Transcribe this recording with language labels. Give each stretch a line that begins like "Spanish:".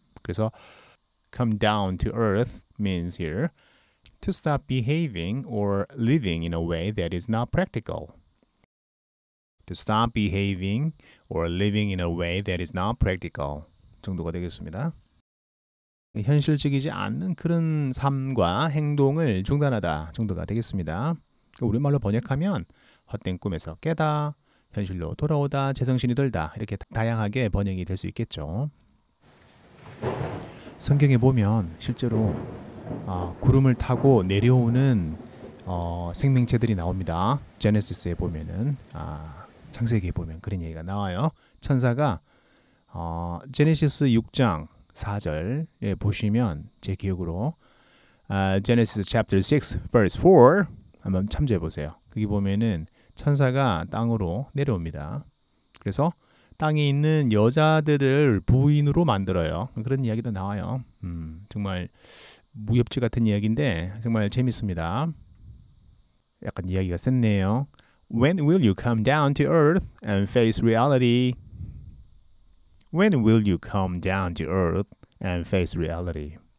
English: 그래서 come down to earth means here to stop behaving or living in a way that is not practical. To stop behaving or living in a way that is not practical
Korean: 정도가 되겠습니다. 현실적이지 않는 그런 삶과 행동을 중단하다 정도가 되겠습니다. 우리말로 번역하면 헛된 꿈에서 깨다, 현실로 돌아오다, 제정신이 들다 이렇게 다양하게 번역이 될 수 있겠죠. 성경에 보면 실제로 구름을 타고 내려오는 생명체들이 나옵니다. 제네시스에 보면은 창세기에 보면 그런 얘기가 나와요. 천사가 제네시스 6장 4절에 보시면 제 기억으로
English: Genesis chapter 6 verse 4
Korean: 한번 참조해 보세요. 거기 보면은 천사가 땅으로 내려옵니다. 그래서 땅에 있는 여자들을 부인으로 만들어요. 그런 이야기도 나와요. 정말 무협지 같은 이야기인데 정말 재밌습니다. 약간 이야기가 셌네요.
English: When will you come down to earth and face reality? When will you come down to earth and face reality?